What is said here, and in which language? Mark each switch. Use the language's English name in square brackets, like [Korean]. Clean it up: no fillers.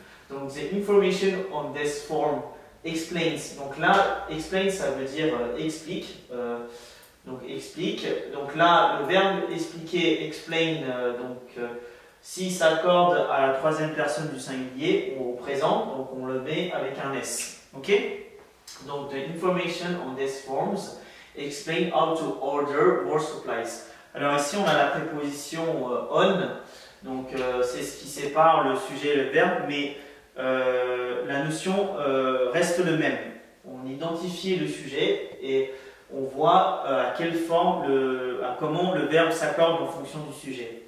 [English] Donc the information on this form explains. [French] Donc là, explain ça veut dire explique. Donc explique, donc là le verbe expliquer, explain, s'il s'accorde à la troisième personne du singulier ou au présent, donc on le met avec un S, ok? [English] Donc the information on these forms explain how to order more supplies. [French] Alors ici on a la préposition on, donc c'est ce qui sépare le sujet et le verbe, mais la notion reste le même. On identifie le sujet et on voit à quelle forme, à comment le verbe s'accorde en fonction du sujet.